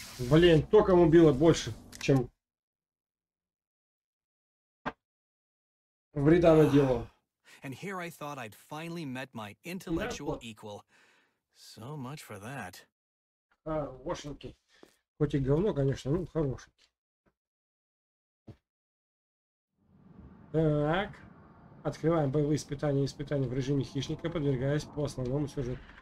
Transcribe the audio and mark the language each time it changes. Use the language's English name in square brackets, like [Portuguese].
[Russian] Блин, током убило больше, чем вреда наделало. [English] And here I thought I'd finally met my intellectual equal. So much for that. [Russian] Хорошенький. Хоть и говно, конечно, но хорошенький. Так. Открываем боевые испытания и испытания в режиме хищника, подвергаясь по основному сюжету.